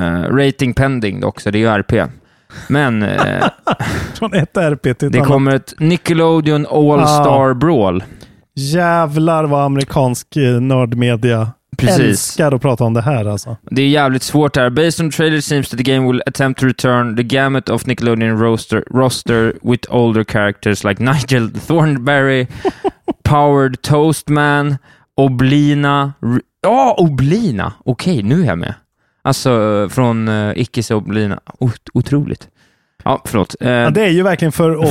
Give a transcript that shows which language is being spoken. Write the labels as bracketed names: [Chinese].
[Swedish] Rating pending också, det är ju RP. Men... från ett RP till ett det annat. Det kommer ett Nickelodeon All-Star Brawl. Jävlar vad amerikansk nördmedia... Precis. Älskar att prata om det här alltså. Det är jävligt svårt här. [English] Based on trailer seems that the game will attempt to return the gamut of Nickelodeon roster with older characters like Nigel Thornberry, Powered Toastman, Oblina. [Swedish] Ja, Oblina! Okej, nu är jag med. Alltså, från Ickes Oblina. Otroligt. Ja, förlåt. Ja, det är ju verkligen för oss.